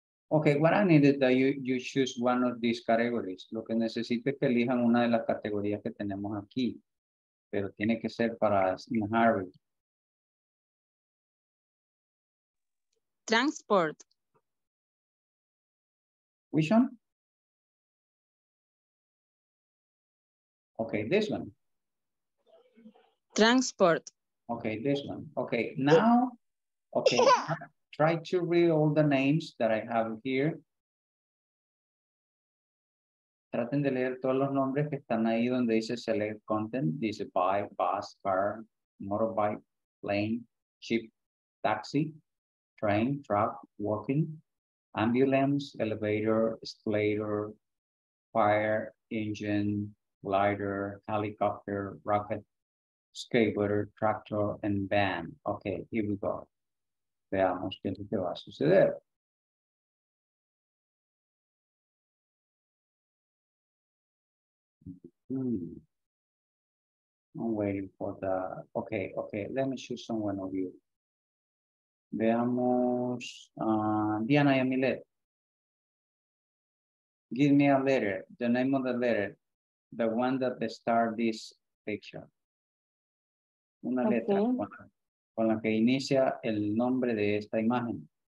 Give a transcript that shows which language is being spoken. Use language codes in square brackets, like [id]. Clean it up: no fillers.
[en] Ok, what I need is that you choose one of these categories. [es] Lo que necesito es que elijan una de las categorías que tenemos aquí. Pero tiene que ser para Harry. [en] Transport. Which one? Okay, this one. Transport. Okay, this one. Okay, now, okay. Yeah. Try to read all the names that I have here. [es] Traten de leer todos los nombres que están ahí donde dice [en] select content. Dice bike, bus, car, motorbike, plane, ship, taxi, train, truck, walking. Ambulance, elevator, escalator, fire, engine, glider, helicopter, rocket, skateboarder, tractor, and van. Okay, here we go. [es] Veamos qué es lo que va a suceder. [en] I'm waiting for the, okay, let me choose someone of you. [es] Veamos, Diana y Emilet. [en] Give me a letter, the name of the letter, the one that starts this picture. [es] Una letra con la que inicia el nombre de esta imagen.